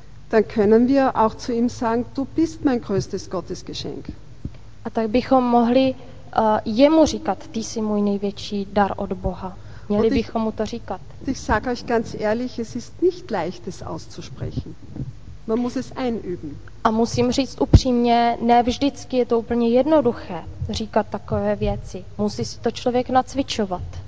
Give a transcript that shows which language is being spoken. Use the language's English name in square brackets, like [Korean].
[German] Dann können wir auch zu ihm sagen, du bist mein größtes Gottesgeschenk. [Czech] A tak bychom mohli jemu říkat, ty jsi můj největší dar od Boha. Měli bychom mu to říkat. [German] Ich sage euch ganz ehrlich, es ist nicht leicht, es auszusprechen. Man muss es einüben. [Czech] A musím říct upřímně, ne vždycky je to úplně jednoduché říkat takové věci. Musí si to člověk nacvičovat.